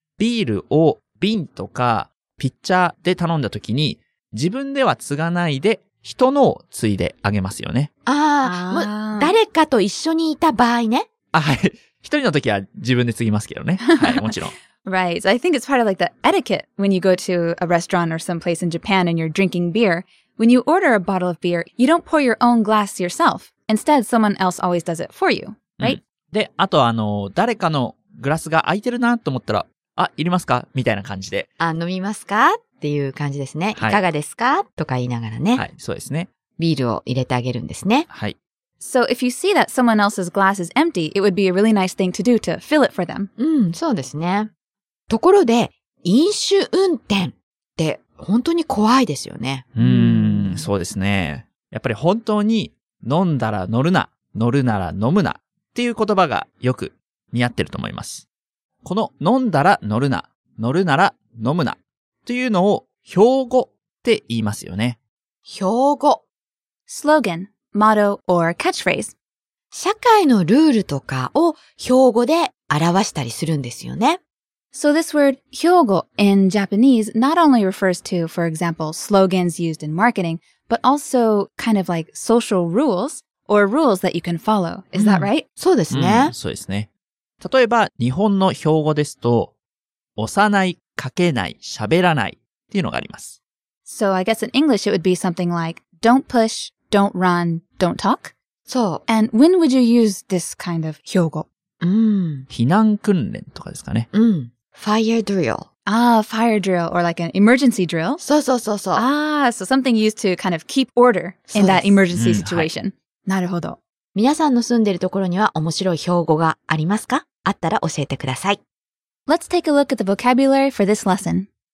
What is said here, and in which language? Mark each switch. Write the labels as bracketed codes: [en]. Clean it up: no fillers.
[ja] ビールを瓶とかピッチャーで頼んだ時に、自分では継がないで、人のを継いであげますよね。ああ、誰かと一緒にいた場合ね。あ、はい。一人の時は自分で継ぎますけどね。はい、もちろん。 [en] Right. So I think it's part of like the etiquette when you go to a restaurant or someplace in Japan and you're drinking beer. When you order a bottle of beer, you don't pour your own glass yourself. Instead, someone else always does it for you, right?、 [ja] で、あとあの、誰かのグラスが空いてるなと思ったら、あ、いりますかみたいな感じで。あ、飲みますかっていう感じですね。はい、いかがですかとか言いながらね。はい、そうですね。ビールを入れてあげるんですね。はい。 [en] So if you see that someone else's glass is empty, it would be a really nice thing to do to fill it for them. [ja] そうですね。ところで、飲酒運転って本当に怖いですよね。そうですね。やっぱり本当に飲んだら乗るな、乗るなら飲むなっていう言葉がよく似合ってると思います。この飲んだら乗るな、乗るなら飲むなっていうのを標語って言いますよね。標語。 [en] slogan, motto, or catchphrase. [ja] 社会のルールとかを標語で表したりするんですよね。 [en] So this word, 標語 in Japanese not only refers to, for example, slogans used in marketing,But also kind of like social rules or rules that you can follow. Is that right?、 [ja] そうですね、そうですね。例えば日本の標語ですと、押さない、かけない、喋らないっていうのがあります。 [en] So I guess in English it would be something like, don't push, don't run, don't talk. [ja] そう。 [en] And when would you use this kind of 標語? [ja] 避難訓練とかですかね。 [en] Fire drill. Fire drill or like an emergency drill. [ja] そうそうそうそう。 [en] So something used to kind of keep order in that emergency situation.、なるほど。 [ja] 皆さんの住んでるところには面白い標語がありますか? あったら教えてください。 [en] Let's take a look at the vocabulary for this lesson.